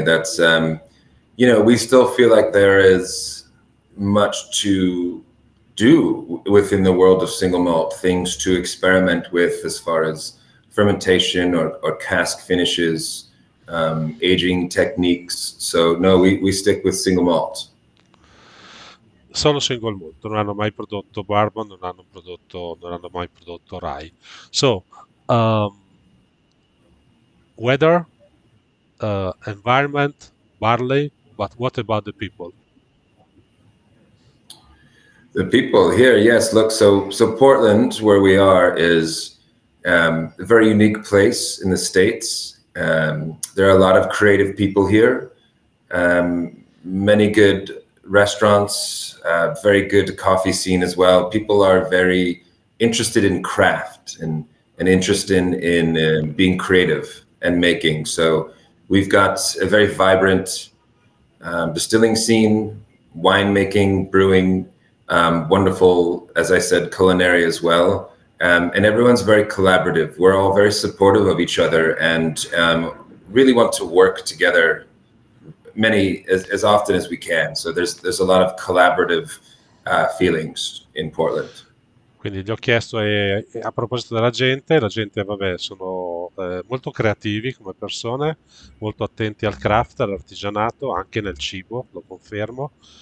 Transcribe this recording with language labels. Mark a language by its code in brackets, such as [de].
[en] That's we still feel like there is much to do within the world of single malt, things to experiment with as far as fermentation or cask finishes, aging techniques. So no, we stick with single malt. [it] Sono single malt, non hanno mai prodotto bourbon, non hanno mai prodotto rye. [en] So, weather, environment, barley, but what about the people? The people here, yes, look, so Portland, where we are, is a very unique place in the States. There are a lot of creative people here, many good restaurants, very good coffee scene as well. People are very interested in craft and interested in being creative and making. So we've got a very vibrant distilling scene, winemaking, brewing, wonderful, as I said, culinary as well. And everyone's very collaborative. We're all very supportive of each other and really want to work together as often as we can. So there's a lot of collaborative feelings in Portland. [it] Quindi gli ho chiesto, a proposito della gente, la gente, vabbè, sono molto creativi come persone, molto attenti al craft, all'artigianato, anche nel cibo, lo confermo.